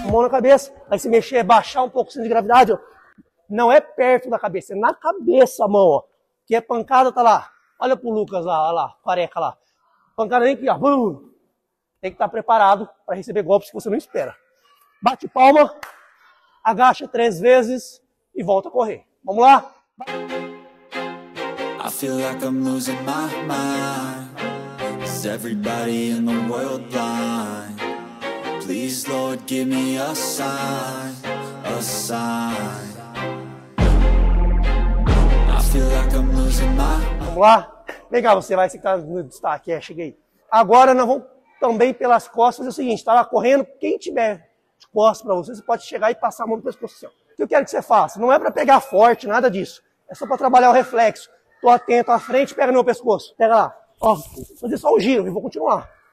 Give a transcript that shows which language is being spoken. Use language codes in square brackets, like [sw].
[pt] Cabeça, aí se mexer, baixar um pouco o centro de gravidade, ó. Não é perto da cabeça, é na cabeça a mão, ó. Que é pancada, tá lá. Olha pro Lucas lá, olha lá, careca lá. Pancada nem aqui, ó. Tem que estar preparado pra receber golpes que você não espera. Bate palma, agacha 3 vezes e volta a correr. Vamos lá? [en] I feel like I'm losing my mind. Is everybody in the world blind? Please, Lord, give me a sign, a sign. I feel like I'm losing my mind. [pt] Vamos lá? Legal, você vai, você que tá no destaque, é, cheguei. Agora nós vamos também pelas costas fazer o seguinte, tá lá correndo, quem tiver de costas pra você, você pode chegar e passar a mão no pescoço assim, ó. O que eu quero que você faça? Não é pra pegar forte, nada disso. É só pra trabalhar o reflexo. Tô atento à frente, pega no meu pescoço. Pega lá. Ó, vou fazer só o giro e vou continuar.